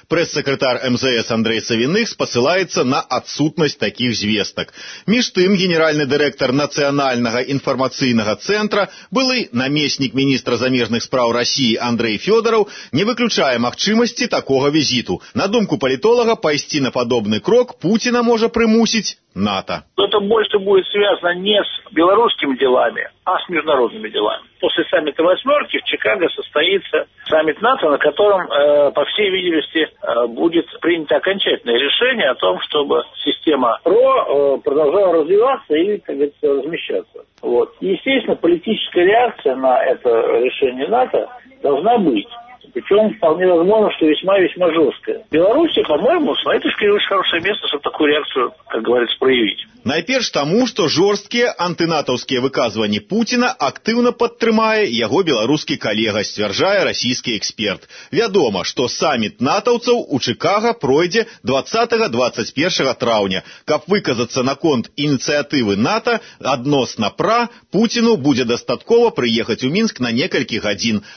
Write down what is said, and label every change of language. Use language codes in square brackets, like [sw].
[be] Прэс-сакратар МЗС Андрэй Савіных спасылаецца на адсутнасць такіх звестак. Між тым, генеральны дырэктар Нацыянальнага інфармацыйнага цэнтра, былы намеснік міністра замежных спраў Расіі Андрэй Фёдараў, не выключае магчымасці такога визиту. На думку политолога, пойти на подобный крок Путина может примусить НАТО. [ru] Это больше будет связано не с белорусскими делами, а с международными делами. После саммита восьмерки в Чикаго состоится саммит НАТО, на котором, по всей видимости, будет принято окончательное решение о том, чтобы система РО продолжала развиваться или, как говорится, размещаться. Вот. Естественно, политическая реакция на это решение НАТО должна быть. Причем вполне возможно, что весьма-весьма жесткое. Беларусь, по-моему, с моей точки зрения, очень хорошее место, чтобы такую реакцию, как говорится, проявить. [be] Найперш таму, што жорсткія антынатаўскія выказванні Пуціна актыўна падтрымае яго беларускі калега, сцвярджае расійскі эксперт. Вядома, што саміт натаўцаў у Чыкага пройдзе 20-21 траўня. Каб выказацца наконт ініцыятывы НАТА адносна пра, Пуціну будзе дастаткова прыехаць у Мінск на некалькі гадзін.